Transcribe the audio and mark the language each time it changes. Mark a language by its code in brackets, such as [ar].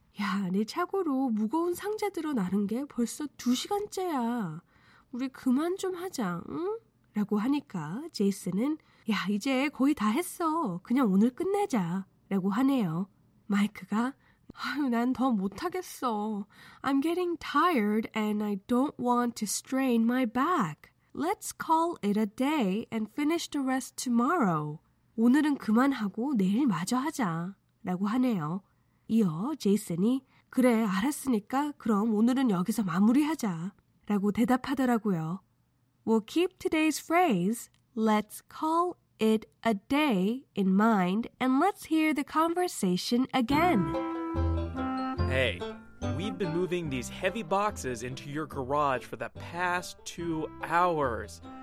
[ko] 야, 내 차고로 무거운 상자들어 나른 게 벌써 2시간째야. 우리 그만 좀 하자, 응? 라고 하니까 제이슨은 야 이제 거의 다 했어 그냥 오늘 끝내자 라고 하네요. 마이크가 아유 난 더 못하겠어. [en] I'm getting tired and I don't want to strain my back. Let's call it a day and finish the rest tomorrow. [ko] 오늘은 그만하고 내일 마저 하자 라고 하네요. 이어 제이슨이 그래 알았으니까 그럼 오늘은 여기서 마무리하자 라고 대답하더라고요. [en] We'll keep today's phrase, let's call it a day, in mind, and let's hear the conversation again. Hey, we've been moving these heavy boxes into your garage for the past 2 hours.